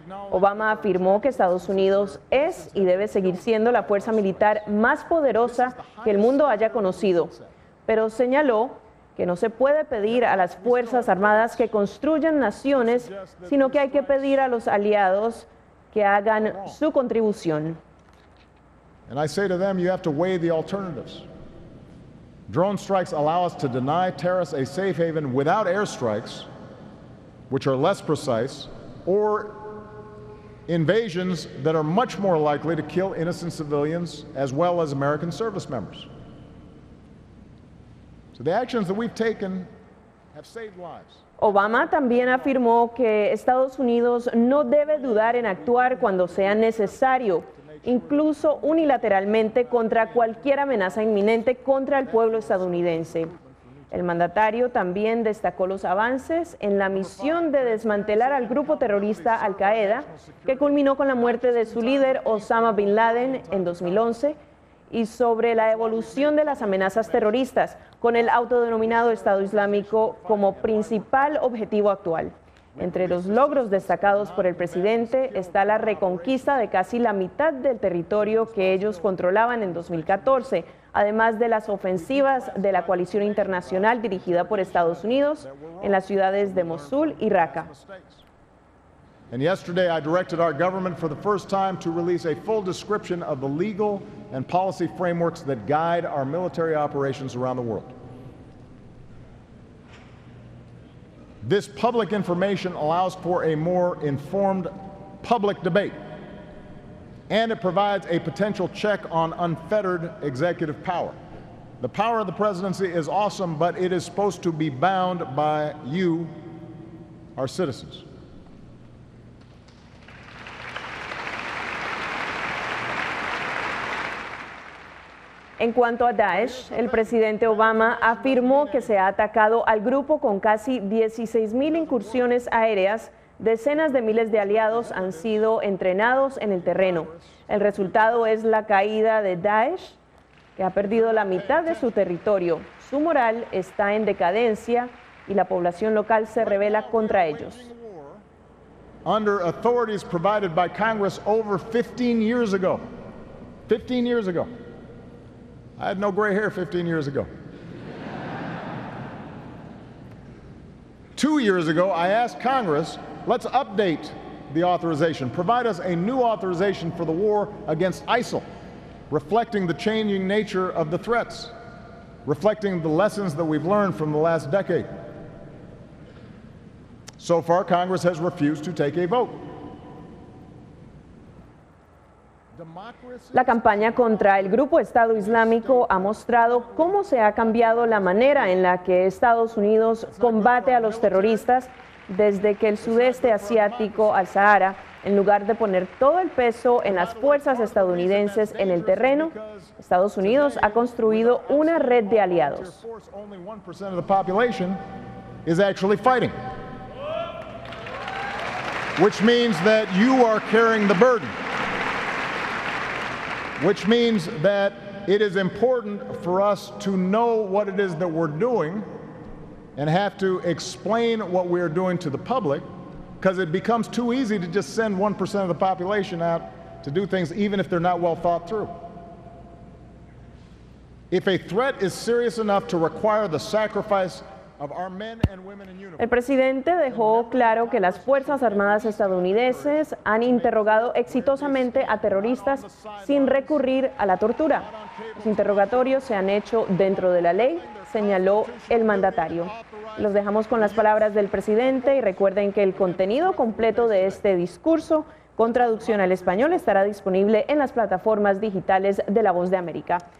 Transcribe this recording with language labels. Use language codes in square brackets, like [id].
[es] Obama afirmó que Estados Unidos es y debe seguir siendo la fuerza militar más poderosa que el mundo haya conocido, pero señaló que no se puede pedir a las Fuerzas Armadas que construyan naciones, sino que hay que pedir a los aliados que hagan su contribución. [en] And I say to them, you have to weigh the alternatives. Drone strikes allow us to deny terrorists a safe haven without airstrikes, which are less precise, or invasions that are much more likely to kill innocent civilians as well as American service members. So the actions that we've taken have saved lives. [es] Obama también afirmó que Estados Unidos no debe dudar en actuar cuando sea necesario, incluso unilateralmente contra cualquier amenaza inminente contra el pueblo estadounidense. El mandatario también destacó los avances en la misión de desmantelar al grupo terrorista Al-Qaeda, que culminó con la muerte de su líder Osama Bin Laden en 2011, y sobre la evolución de las amenazas terroristas, con el autodenominado Estado Islámico como principal objetivo actual. Entre los logros destacados por el presidente está la reconquista de casi la mitad del territorio que ellos controlaban en 2014, además de las ofensivas de la coalición internacional dirigida por Estados Unidos en las ciudades de Mosul y Raqqa. [en] And yesterday I directed our government for the first time to release a full description of the legal and policy frameworks that guide our military operations around the world. This public information allows for a more informed public debate, and it provides a potential check on unfettered executive power. The power of the presidency is awesome, but it is supposed to be bound by you, our citizens. [es] En cuanto a Daesh, el presidente Obama afirmó que se ha atacado al grupo con casi 16,000 incursiones aéreas. Decenas de miles de aliados han sido entrenados en el terreno. El resultado es la caída de Daesh, que ha perdido la mitad de su territorio. Su moral está en decadencia y la población local se rebela contra ellos. [en] Under authorities provided by Congress over 15 years ago. 15 years ago. I had no gray hair 15 years ago. 2 years ago, I asked Congress, let's update the authorization, provide us a new authorization for the war against ISIL, reflecting the changing nature of the threats, reflecting the lessons that we've learned from the last decade. So far, Congress has refused to take a vote. [es] La campaña contra el grupo Estado Islámico ha mostrado cómo se ha cambiado la manera en la que Estados Unidos combate a los terroristas desde que el sudeste asiático al Sahara, en lugar de poner todo el peso en las fuerzas estadounidenses en el terreno, Estados Unidos ha construido una red de aliados. [en] Which means that you are carrying the burden. Which means that it is important for us to know what it is that we're doing and have to explain what we are doing to the public, because it becomes too easy to just send 1% of the population out to do things even if they're not well thought through. If a threat is serious enough to require the sacrifice of our men and women in uniform. [es] El presidente dejó claro que las Fuerzas Armadas estadounidenses han interrogado exitosamente a terroristas sin recurrir a la tortura. Los interrogatorios se han hecho dentro de la ley, señaló el mandatario. Los dejamos con las palabras del presidente y recuerden que el contenido completo de este discurso con traducción al español estará disponible en las plataformas digitales de La Voz de América.